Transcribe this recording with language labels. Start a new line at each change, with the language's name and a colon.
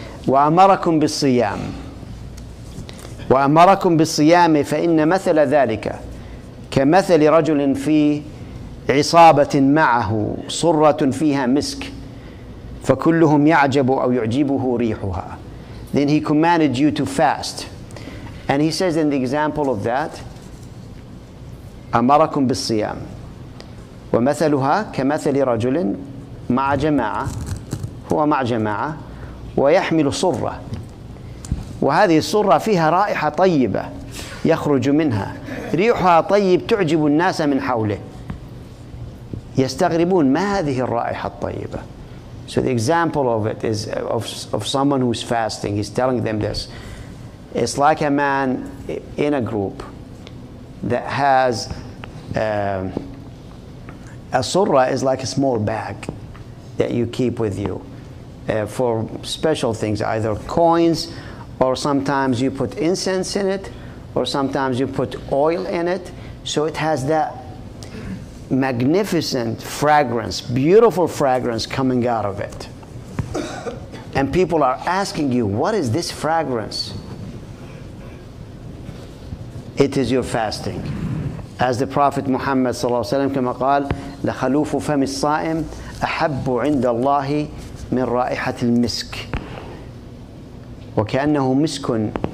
Arabic: وَأَمَرَكُمْ بِالصِّيَامِ وَأَمَرَكُمْ بِالصِّيَامِ فَإِنَّ مَثَلَ ذَلِكَ كَمَثَلِ رَجُلٍ فِي عِصَابَةٍ مَعَهُ صُرَّةٌ فِيهَا مِسْكٍ فَكُلُّهُمْ يَعْجَبُ أَوْ يُعْجِبُهُ رِيحُهَا.
English: Then he commanded you to fast. And he says in the example of that,
Arabic: أَمَرَكُمْ بِالصِّيَامِ وَمَثَلُهَا كَمَثَلِ رَجُلٍ مَعَ جَمَاعَةٍ هُوَ مَعَ جَمَاعَةٍ وَيَحْمِلُ صُرَّةٍ وَهَذِهِ الصُّرَّةِ فِيهَا رَائِحَةٌ طَيِّبَةٌ يَخْرُجُ مِنْهَا رِيحُهَا طَيِّبٌ تُعْجِبُ النَّاسَ مِنْ حَوْلِهِ يستغربون ما هذه الرائحة الطيبة.
English: So the example of it is of someone who is fasting. He's telling them this. It's like a man in a group that has a surah is like a small bag that you keep with you for special things, either coins, or sometimes you put incense in it, or sometimes you put oil in it. So it has that magnificent fragrance, beautiful fragrance coming out of it. And people are asking you, what is this fragrance? It is your fasting. As the Prophet Muhammad sallallahu alaihi wasallam
Arabic: كما قال لخلوف فم الصائم أحب عند الله من رائحة المسك وكأنه مسك.